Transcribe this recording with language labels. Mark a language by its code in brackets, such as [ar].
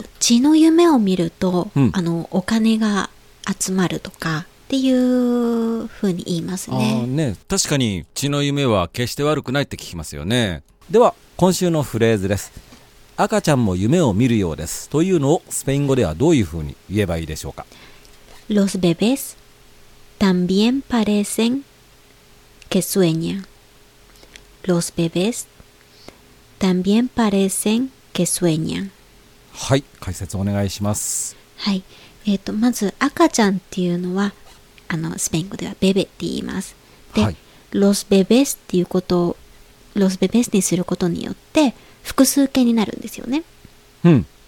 [ja] 血の夢を見ると、お金が集まるとかっていう風に言いますね。あ、ね、確かに血の夢は決して悪くないって聞きますよね。では今週のフレーズです。赤ちゃんも夢を見るようですというのをスペイン語ではどういう風に言えばいいでしょうか。 [es] Los bebés también parecen que sueñan. Los bebés también parecen que sueñan. [ja] はい、解説お願いします。はい、まず赤ちゃんっていうのはスペイン語ではベベって言います。で、はい、ロスベベスっていうことをロスベベスにすることによって複数形になるんですよね。うん。